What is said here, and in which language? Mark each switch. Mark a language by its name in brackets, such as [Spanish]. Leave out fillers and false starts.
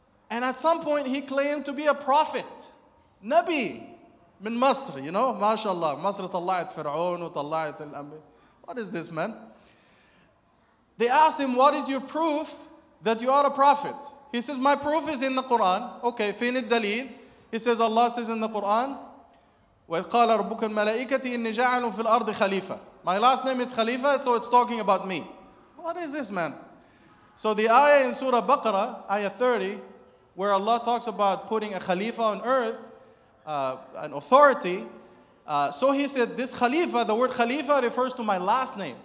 [English] And at some point he claimed to be a prophet. [Arabic] Nabi. Min Masr, [English] you know, [Arabic] mashallah. Masr tala'at Fir'aun wa tala'at al-Anbiya. [English] What is this, man? They asked him, what is your proof that you are a prophet? He says, my proof is in the Quran. Okay, [Arabic] fin al-dalil. [English] He says, Allah says in the Quran, [Arabic] وَقَالَ رَبُّكَ الْمَلَائِكَةِ إِنِّي جَعَلُ فِي الْأَرْضِ خَلِيفَةً. [English] My last name is Khalifa, so it's talking about me. What is this, man? So the ayah in Surah Baqarah, ayah 30, where Allah talks about putting a Khalifa on earth, an authority, so he said, this Khalifa, the word Khalifa refers to my last name.